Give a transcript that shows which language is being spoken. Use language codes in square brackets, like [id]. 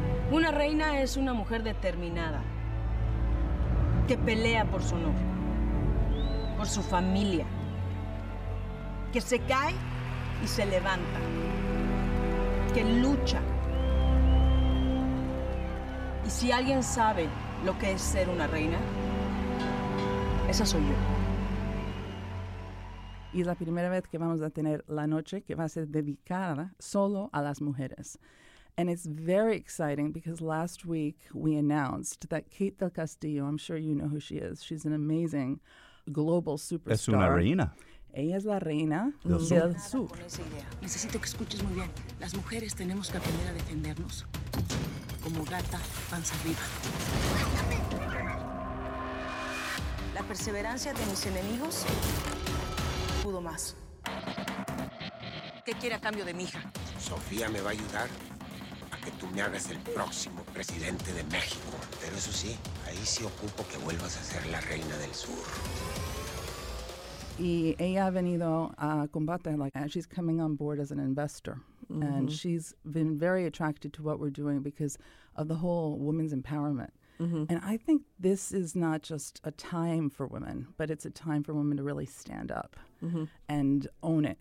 [es] Una reina es una mujer determinada, que pelea por su honor, por su familia, que se cae y se levanta, que lucha. Y si alguien sabe lo que es ser una reina, esa soy yo. Y es la primera vez que vamos a tener la noche que va a ser dedicada solo a las mujeres. [en] And it's very exciting because last week we announced that Kate del Castillo, I'm sure you know who she is. She's an amazing global superstar. [es] Es una reina. Ella es la reina del sur. Necesito que escuches muy bien. Las mujeres tenemos que aprender a defendernos como gata panza arriba. La perseverancia de mis enemigos pudo más. ¿Qué quiere a cambio de mi hija? Sofía me va a ayudar. Que tú me hagas el próximo presidente de México. Pero eso sí, ahí sí ocupo que vuelvas a ser la reina del sur. Y ella ha venido a combate, [en] like, she's coming on board as an investor. Mm-hmm. And she's been very attracted to what we're doing because of the whole women's empowerment. Mm-hmm. And I think this is not just a time for women, but it's a time for women to really stand up and own it.